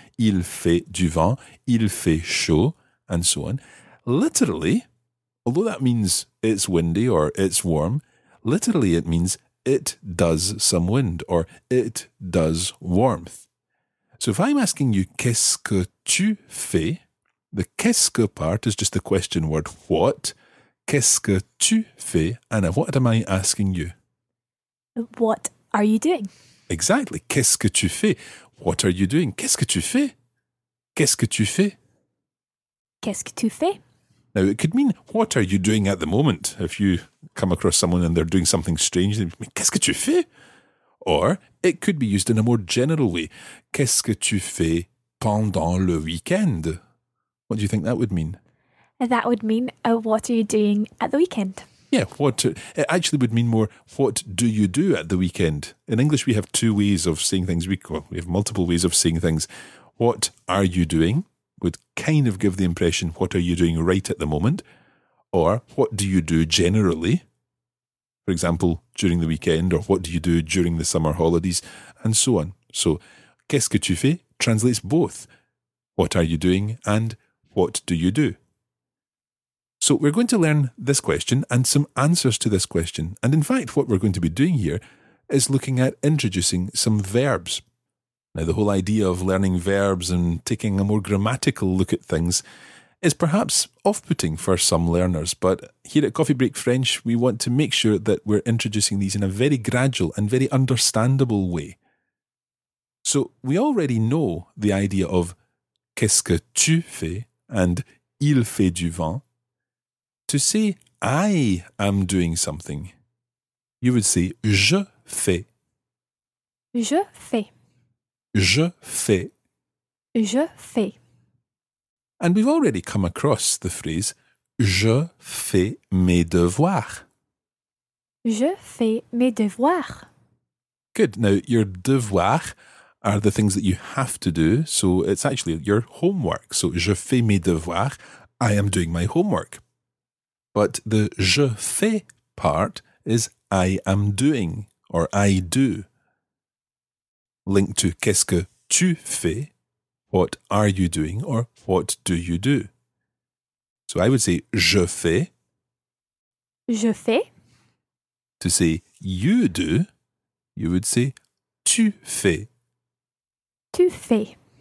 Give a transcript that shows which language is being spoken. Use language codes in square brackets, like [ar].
[fr] Il fait du vent, il fait chaud, [en] and so on. Literally, although that means it's windy or it's warm, literally it means it does some wind or it does warmth. So if I'm asking you, [fr] qu'est-ce que tu fais? [en] The qu'est-ce que part is just the question word, what? [fr] Qu'est-ce que tu fais? [en] Anna, what am I asking you? What are you doing? Exactly. [fr] Qu'est-ce que tu fais? [en] What are you doing? [fr] Qu'est-ce que tu fais? Qu'est-ce que tu fais? Qu'est-ce que tu fais? [en] Now, it could mean, what are you doing at the moment? If you come across someone and they're doing something strange, they mean, [fr] qu'est-ce que tu fais? [en] Or it could be used in a more general way. [fr] Qu'est-ce que tu fais pendant le week-end? [en] What do you think that would mean? That would mean, what are you doing at the weekend? Yeah, it actually would mean more, what do you do at the weekend? In English, we have two ways of saying things. We have multiple ways of saying things. What are you doing would kind of give the impression, what are you doing right at the moment? Or what do you do generally? For example, during the weekend, or what do you do during the summer holidays, and so on. So, [fr] qu'est-ce que tu fais [en] translates both. What are you doing and what do you do? So, we're going to learn this question and some answers to this question. And in fact, what we're going to be doing here is looking at introducing some verbs. Now, the whole idea of learning verbs and taking a more grammatical look at things is perhaps off-putting for some learners, but here at Coffee Break French, we want to make sure that we're introducing these in a very gradual and very understandable way. So we already know the idea of [fr] qu'est-ce que tu fais [en] and [fr] il fait du vent. [en] To say I am doing something, you would say [fr] je fais. Je fais. Je fais. Je fais. [en] And we've already come across the phrase [fr] je fais mes devoirs. Je fais mes devoirs. [en] Good. Now, your devoirs are the things that you have to do. So it's actually your homework. So [fr] je fais mes devoirs. [en] I am doing my homework. But the [fr] je fais [en] part is I am doing or I do. Linked to [fr] qu'est-ce que tu fais? [en] What are you doing or what do you do? So I would say [fr] je fais. Je fais. [en] To say you do, you would say [fr] tu fais. Tu fais.